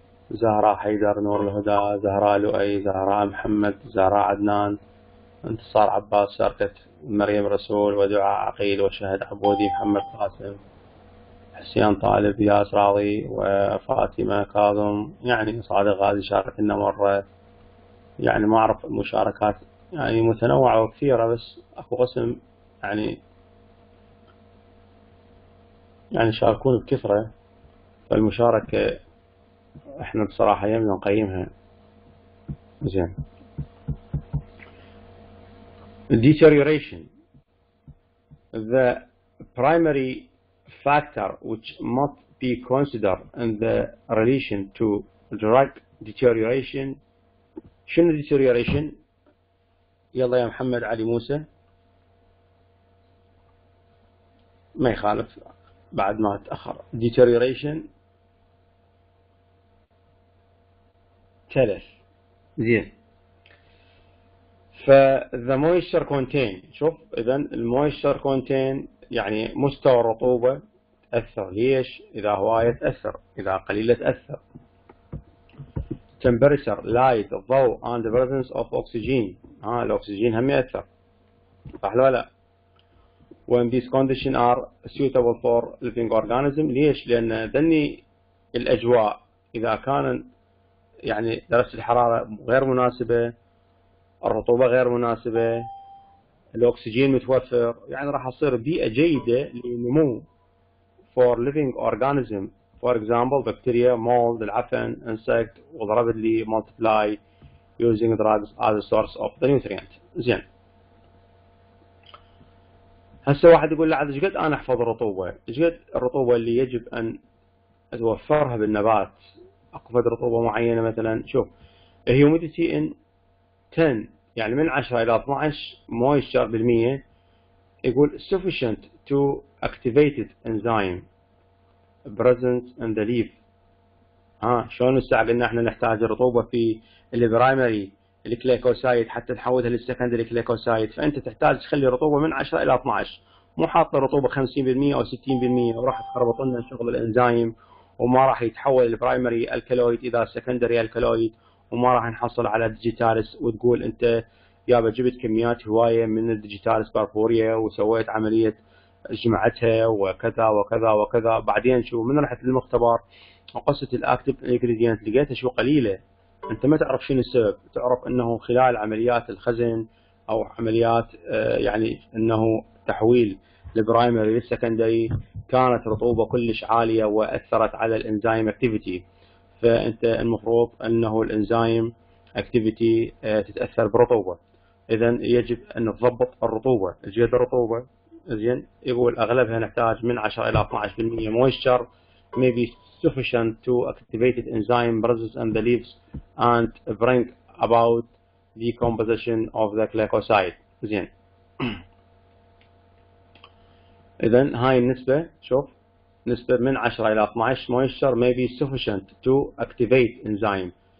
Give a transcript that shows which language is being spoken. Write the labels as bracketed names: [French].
[Arabic] زهراء، حيدر، نور الهدى، زهراء لؤي، زهراء محمد، زهراء عدنان، انتصار عباس شاركت، مريم رسول، ودعاء عقيل، وشهد عبودي، محمد قاسم، حسين طالب، ياس راضي، وفاطمة كاظم، يعني صادق غازي شاركت لنا مرة. يعني ما اعرف المشاركات يعني متنوعة وكثيرة، بس اكو قسم يعني شاركون بكثرة، فالمشاركة احنا بصراحة يمنا نقيمها. زين [English] deterioration the primary factor which must be considered in the relation to drug deterioration. [Arabic] شنو deterioration؟ يلا يا محمد علي موسى، ما يخالف بعد ما تأخر. deterioration تلف. زين ف [English] the moisture contain، [Arabic] شوف اذا المويستر contain يعني مستوى الرطوبة تأثر. ليش؟ اذا هواية تأثر، اذا قليلة تأثر. [English] temperature light ضوء and the presence of oxygen، [Arabic] الاكسجين هم يأثر، صح ولا لا؟ [English] when these conditions are suitable for living organism. [Arabic] ليش؟ لان ذني الاجواء اذا كان يعني درجه الحراره غير مناسبه، الرطوبه غير مناسبه، الاكسجين متوفر، يعني راح تصير بيئه جيده لنمو [English] for living organism. For example, bacteria, mold, [Arabic] العفن, [English] insect, will rapidly multiply using drugs as a source of the nutrient. [Arabic] زين. هسه واحد يقول لعد شقد انا احفظ الرطوبة؟ شقد الرطوبة اللي يجب ان اتوفرها بالنبات؟ اقفز رطوبة معينة مثلا، شوف. [English] humidity in 10 [Arabic] يعني من 10 إلى 12 [English] moisture [Arabic] بالمية، يقول [English] sufficient to activate enzyme. present in the leaf. [Arabic] شلون هسه قلنا احنا نحتاج الرطوبه في البرايمري الكليكوسايد حتى تحولها للسكندري كليكوسايد، فانت تحتاج تخلي الرطوبه من 10 الى 12، مو حاطه رطوبه 50% او 60% وراح تخربط لنا شغل الانزيم، وما راح يتحول البرايمري الكالويد الى سكندري الكالويد، وما راح نحصل على ديجيتالس وتقول انت يابا جبت كميات هواية من الديجيتال سبارفوريا وسويت عملية جمعتها وكذا وكذا وكذا. بعدين شو من رحت للمختبر وقصت الاكتف انجريدينت لقيتها شو قليلة. انت ما تعرف شنو السبب، تعرف انه خلال عمليات الخزن او عمليات يعني انه تحويل البرايمري للسكندري كانت رطوبة كلش عالية واثرت على الانزيم اكتيفيتي. فانت المفروض انه الانزيم اكتيفيتي تتاثر بالرطوبة، اذا يجب ان تضبط الرطوبة، زيادة الرطوبة زين. يقول اغلبها نحتاج من 10 الى 12% مويستشر [English] maybe sufficient to activate the enzyme process and the leaves and bring about the composition of the glycoside. [Arabic] زين اذا هاي النسبه، شوف نسبه من 10 الى 12 مويستشر [English] maybe sufficient to activate enzyme.